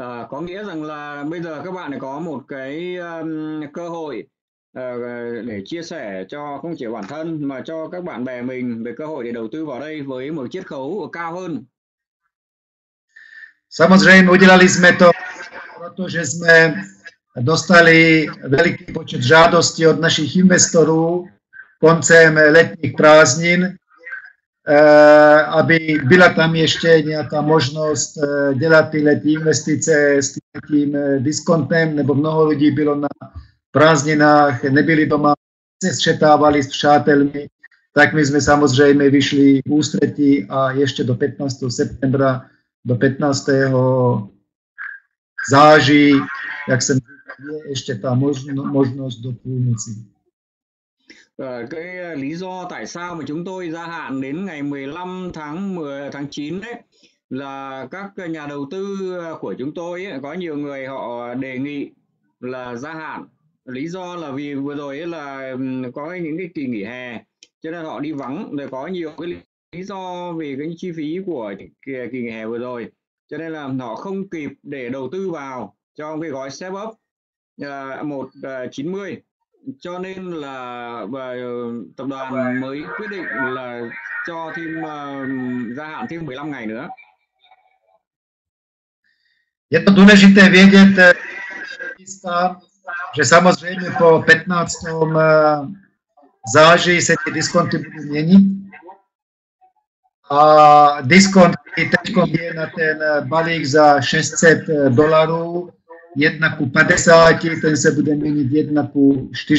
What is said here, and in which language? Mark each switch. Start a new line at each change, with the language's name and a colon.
Vietnamese: Có nghĩa rằng là bây giờ các bạn có một cái cơ hội để chia sẻ cho không chỉ bản thân mà cho các bạn bè mình về cơ hội để đầu tư vào đây với một chiết khấu cao hơn.
Czech: Samozřejmě udělali jsme to, protože jsme dostali veliký počet žádostí od našich investorů koncem letních prázdnin, aby byla tam ještě nějaká možnost dělat tyhle investice s tím diskontem, nebo mnoho lidí bylo na prázdninách, nebyli doma, se střetávali s přátelmi, tak my jsme samozřejmě vyšli v ústretí a ještě do 15.
Slovak: septembra, do 15.
Czech: září, jak jsem říkal, je ještě ta možnost do půlnoci.
Vietnamese: Cái lý do tại sao mà chúng tôi gia hạn đến ngày 15 tháng 10 tháng 9 đấy là các nhà đầu tư của chúng tôi ấy, có nhiều người họ đề nghị là gia hạn, lý do là vì vừa rồi ấy là có những cái kỳ nghỉ hè cho nên họ đi vắng, rồi có nhiều cái lý do vì cái chi phí của kỳ nghỉ hè vừa rồi cho nên là họ không kịp để đầu tư vào cho cái gói Step Up 1:90. Cho nên là tập đoàn mới quyết định là cho thêm gia hạn thêm 15 ngày nữa.
Slovak: Je to dôležité vedieť, že samozrejme po 15. záži sa tie diskonty budú meniť. A diskont, ktorý teď je na ten balík za 600 dolarů, 1:50, ten sa bude meniť 1:40.